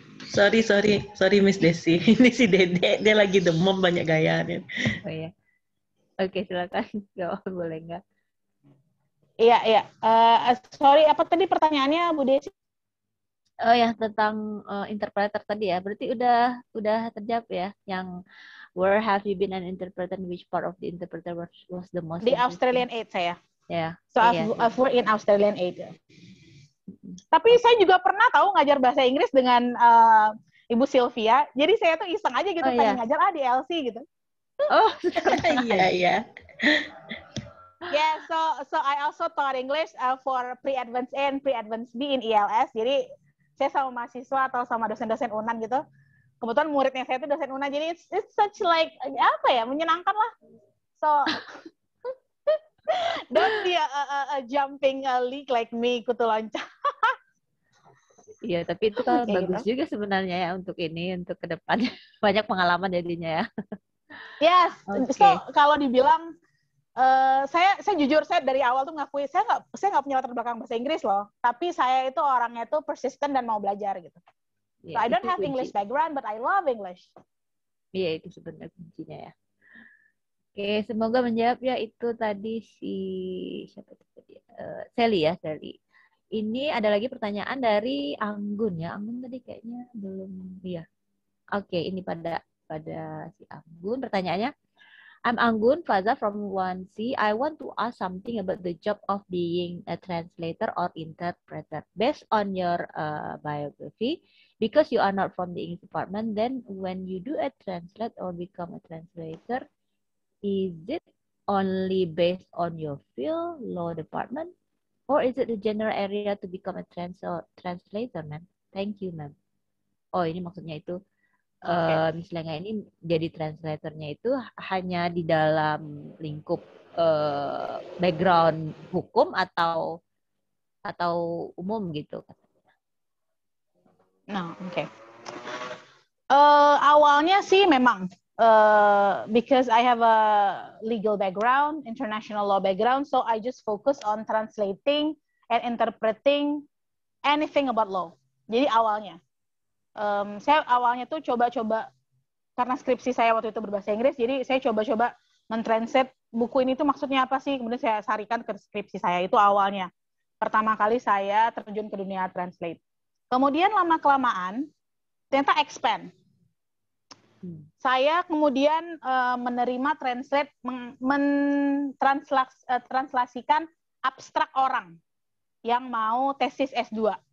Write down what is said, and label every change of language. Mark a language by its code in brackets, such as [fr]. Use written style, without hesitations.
[id] Sorry Miss Desi. Ini si Dede dia lagi demam banyak gayanya. Oh iya. Oke, silakan. Enggak boleh enggak? Iya, iya. Sorry, apa tadi pertanyaannya, Bu Desi? Oh ya, tentang interpreter tadi ya. Berarti udah terjawab ya. [en] Yang where have you been an interpreter? Which part of the interpreter was the most? [id] Di Australian Aid saya. [en] Yeah. So I've worked in Australian Aid. [id] Tapi saya juga pernah tahu ngajar bahasa Inggris dengan Ibu Sylvia. Jadi saya tuh iseng aja gitu, pengen ngajar di LC gitu. Oh, iya. [en] Yeah, so I also taught English for pre-advanced A and pre-advanced B in ELS. [id] Jadi saya sama mahasiswa atau sama dosen-dosen UNAN gitu. Kebetulan muridnya saya itu dosen UNAN. Jadi [en] it's such like [id] apa ya, menyenangkan lah. [en] So don't be a jumping leak like me, [id] kutu loncat. Iya, tapi itu kan bagus gitu juga sebenarnya ya untuk ini, untuk ke depan. Banyak pengalaman jadinya ya. Yes. Okay. So kalau dibilang saya jujur, saya dari awal tuh ngakui saya nggak punya latar belakang bahasa Inggris loh, tapi saya itu orangnya tuh persistent dan mau belajar gitu. [en] Yeah, so I don't have kunci. English background but I love English. [id] Iya, yeah, itu sebenarnya kuncinya ya. Oke, okay, semoga menjawab ya. Itu tadi si siapa tadi, Sally ya. Sally, ini ada lagi pertanyaan dari Anggun ya. Anggun tadi kayaknya belum ya. Oke, okay, ini pada si Anggun pertanyaannya. [en] I'm Anggun Faza from 1C. I want to ask something about the job of being a translator or interpreter. Based on your biography, because you are not from the English department, then when you do a translate or become a translator, is it only based on your field, law department, or is it the general area to become a translator, ma'am? Thank you, ma'am. [id] Oh, ini maksudnya itu, Miss Lenga ini jadi translatornya itu hanya di dalam lingkup background hukum atau umum gitu. Nah, oke. Awalnya sih memang [en] because I have a legal background, international law background, so I just focus on translating and interpreting anything about law. [id] Jadi awalnya saya awalnya tuh coba-coba karena skripsi saya waktu itu berbahasa Inggris, jadi saya coba-coba mentranslate buku ini tuh maksudnya apa sih, kemudian saya sarikan ke skripsi saya. Itu awalnya pertama kali saya terjun ke dunia translate. Kemudian lama-kelamaan ternyata expand. Saya kemudian menerima translate mentranslasikan abstrak orang yang mau tesis S2.